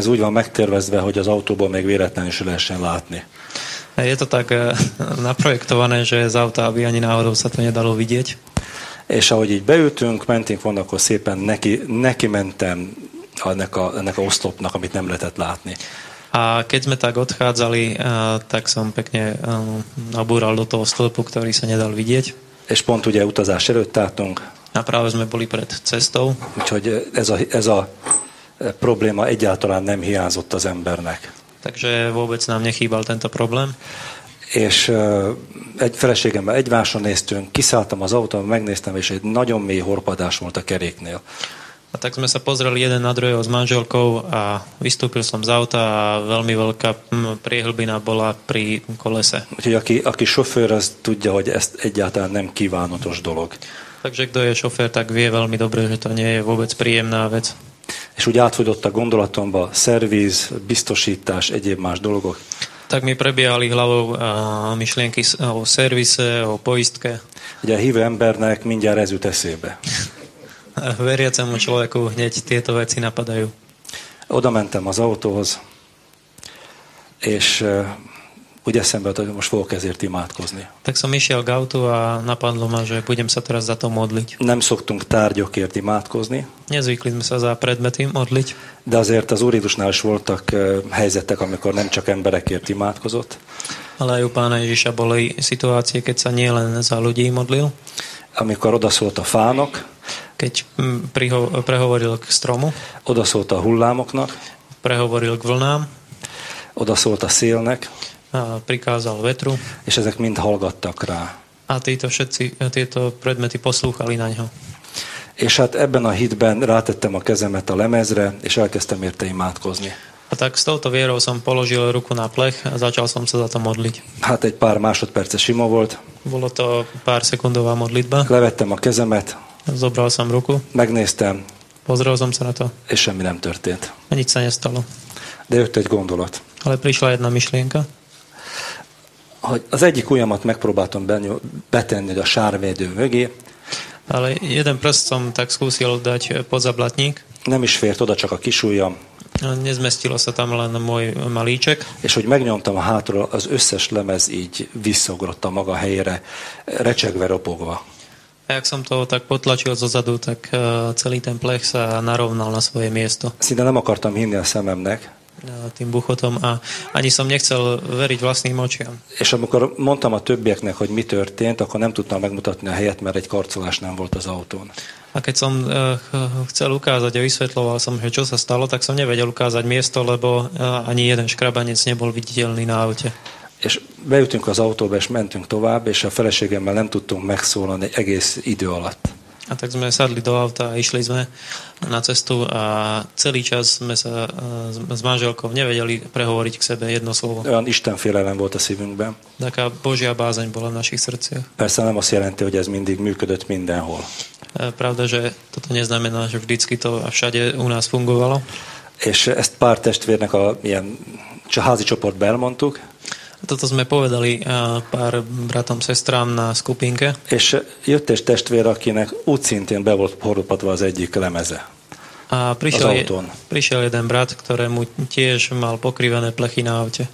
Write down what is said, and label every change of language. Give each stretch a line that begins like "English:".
Hungarian: Ez úgy van megtervezve, hogy az autóból még véletlenül se lehessen látni.
Slovak: Je to tak naprojektované, že z auta, aby ani náhodou sa to nedalo vidieť.
Hungarian: És ahogy így beültünk, mentünk volna, akkor szépen neki mentem ennek a oszlopnak, amit nem lehetett látni.
Slovak: A keď sme tak odchádzali, tak som pekne nabúral do toho stĺpu, ktorý sa nedal vidieť.
Hungarian: És pont ugye utazás előtt tátunk.
Slovak: A práve sme boli pred cestou.
Hungarian: Úgyhogy ez a probléma egyáltalán nem hiányzott az embernek.
Slovak: Takže vôbec nám nechýbal tento problém.
Hungarian: És egy feleségemmel egymásra néztünk, kiszálltam az autóba, megnéztem, és egy nagyon mély horpadás volt a keréknél.
Slovak: A tak sme sa pozreli jeden na druhého s manželkou a vystúpil som z auta a veľmi veľká priehlbina bola pri kolese.
Hungarian: Úgyhogy aki šofér, az tudja, hogy ez egyáltalán nem kívánatos dolog.
Slovak: Takže kto je šofér, tak vie veľmi dobre, že to nie je vôbec príjemná vec.
Hungarian: És úgy átfogyott a gondolatomba szerviz, biztosítás, egyéb más dolgok.
Slovak: Tak mi prebiehali hlavou myšlienky o servise, o poistke.
Hungarian: Ugye a hívő embernek mindjárt ez jut eszébe.
Slovak: Veriacemu človeku hneď tieto veci napadajú.
Hungarian: Oda mentem az autóhoz, és úgy eszembe, hogy most fogok ezért imádkozni.
Slovak: Tak som išiel k autu a napadlo ma, že budem sa teraz za to modliť.
Hungarian: Nem szoktunk tárgyokért imádkozni.
Slovak: Nezvykli sme sa za predmety modliť.
Hungarian: De azért az Úr Jézusnál is voltak helyzetek, amikor nem csak emberekért imádkozott.
Slovak: Ale aj u Pána Ježiša boli situácie, keď sa nielen za ľudí modlil.
Hungarian: Amikor odaszólt a fának.
Slovak: Keď prehovoril k stromu.
Hungarian: Odaszólt a hullámoknak.
Slovak: Prehovoril k vlnám.
Hungarian: Odaszólt a szélnek.
Slovak: A prikázal vetru.
Hungarian: És ezek mind hallgattak rá.
Slovak: A títo všetci, tieto predmety poslúchali na ňo.
Hungarian: És hát ebben a hitben rátettem a kezemet a lemezre, és elkezdtem érte imádkozni.
Slovak: A tak s touto vierou som položil ruku na plech a začal som sa za to modliť.
Hungarian: Hát egy pár másodperce sima volt.
Slovak: Bolo to pár sekundová modlitba.
Hungarian: Levettem a kezemet.
Slovak: Zobral som ruku.
Hungarian: Megnéztem.
Slovak: Pozrel som sa na to.
Hungarian: És semmi nem történt.
Slovak: A nič sa nestalo.
Hungarian: De jött egy gondolat.
Slovak: Ale prišla jedna myšlienka.
Hungarian: Hogy az egyik ujjamat megpróbáltam betenni a sárvédő mögé.
Slovak: Ale jeden prst som tak skúsil dať pod zablatník.
Hungarian: Nem is fért oda, csak a kis ujjam.
Slovak: Nezmestilo sa tam len môj malíček.
Hungarian: És hogy megnyomtam a hátról, az összes lemez így visszaugrott a maga helyére, recsegve, ropogva.
Slovak: A jak som to tak potlačil zozadu, tak celý ten plech sa narovnal na svoje miesto.
Hungarian: Szinte nem akartam hinni a szememnek.
Slovak: Tým buchotom a ani som nechcel veriť vlastným očiam.
Hungarian: És amikor mondtam a többieknek, hogy mi történt, akkor nem tudtam megmutatni a helyet, mert egy karcolás nem volt az autón.
Slovak: A keď som chcel ukázať a vysvetloval som, že čo sa stalo, tak som nevedel ukázať miesto, lebo ani jeden škrabanec nebol viditeľný na aute.
Hungarian: És bejutunk az autóba, és mentünk tovább, és a feleségemmel nem tudtunk megszólalni egész idő alatt.
Slovak: A tak sme sadli do auta a išli sme na cestu a celý čas sme sa s manželkou nevedeli prehovoriť k sebe jedno slovo.
Hungarian: Olyan istenfélelem volt a szívünkben.
Slovak: Taká Božia bázeň bola v našich srdciach.
Hungarian: Persze nem azt jelenti, hogy ez mindig működött mindenhol.
Slovak: Pravda, že toto neznamená, že vždycky to všade u nás fungovalo.
Hungarian: És ezt pár testvérnek a ilyen házi csoportba elmondtuk.
Slovak: Toto sme povedali pár bratom, sestrám na skupinke.
Hungarian: És jött egy testvér, akinek úgyszintén be volt horupatva az egyik lemeze.
Slovak: A prišiel jeden brat, ktorému tiež mal pokrivené plechy na aute.